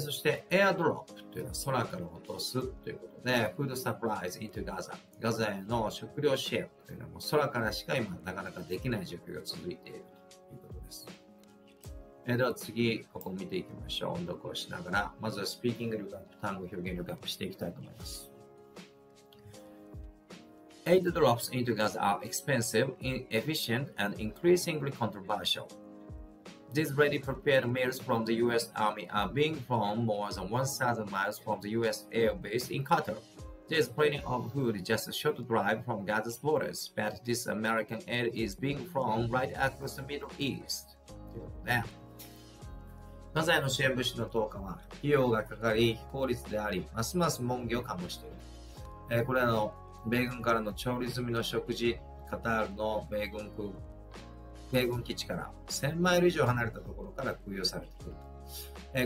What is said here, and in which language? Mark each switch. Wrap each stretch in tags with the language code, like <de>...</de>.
<ja>そして、エアドロップというのは空から落とすということで、フードサプライズ</ja> <en>into Gaza。</en> <ja>ガザへの食料支援というのはもう空からしか今なかなかできない状況が続いているということです。では次ここを見ていきましょう。音読をしながらまずはスピーキング力アップ、単語表現力アップしていきたいと思います。</ja> <en>Aid drops into Gaza are expensive, inefficient and increasingly controversial. These ready prepared meals from the US Army are being flown more than 1,000 miles from the US air base in Qatar. There is plenty of food just a short drive from Gaza's borders, but this American aid is being flown right across the Middle East. Damn.</en> <ja>ガザへの支援物資の投下は費用がかかり非効率であり、ますます門戸を醸している。これらの米軍からの調理済みの食事、カタールの米軍基地から1000マイル以上離れたところから空輸されている。</ja>